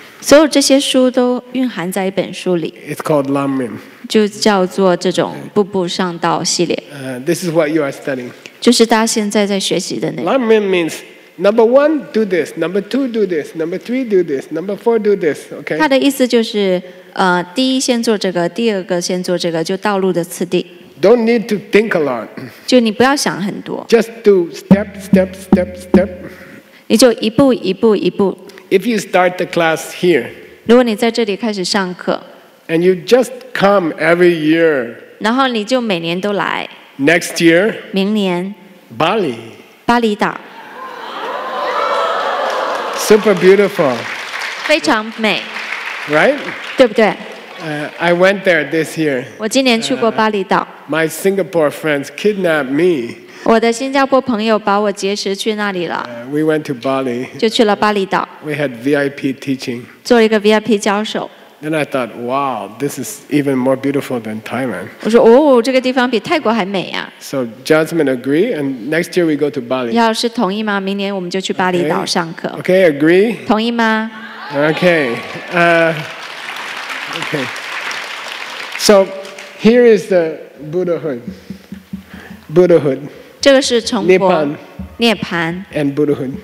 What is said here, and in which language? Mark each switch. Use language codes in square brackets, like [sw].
[zh] 所有这些书都蕴含在一本书里。 [en] It's called Lam Rim. [zh] 就叫做这种步步上道系列。 [en] This is what you are studying. [zh] 就是大家现在在学习的那个。 [en] Lam Rim means number one do this, number two do this, number three do this, number four do this. Okay. [zh] 它的意思就是， 第一先做这个， 第二个先做这个， 就道路的次第。 [en] Don't need to think a lot. [zh] 就你不要想很多。 [en] Just do step, step, step, step. [zh] 你就一步一步一步。 [en] If you start the class here, [zh] 如果你在这里开始上课, [en] and you just come every year, [zh] 然后你就每年都来, [en] next year, [zh] 明年, [en] Bali, [zh] 巴厘岛, [en] super beautiful, [zh] 非常美, [en] right? [zh] 对不对? [en] I went there this year. [zh] 我今年去过巴厘岛, [en] my Singapore friends kidnapped me. [zh] 我的新加坡朋友把我劫持去那里了。 [en] We went to Bali. [zh] 就去了巴厘岛。 [en] We had VIP teaching. [zh] 做了一个VIP教授。 [en] Then I thought, wow, this is even more beautiful than Thailand. [zh] 我说，哦，这个地方比泰国还美呀。 [en] So Jasmine agree, and next year we go to Bali. [zh] 要是同意吗？明年我们就去巴厘岛上课。 [en] Okay, agree? [zh] 同意吗？ [en] Okay. So here is the Buddhahood. Buddhahood. [zh] 这个是成佛, [en] Nippon, and Buddhahood.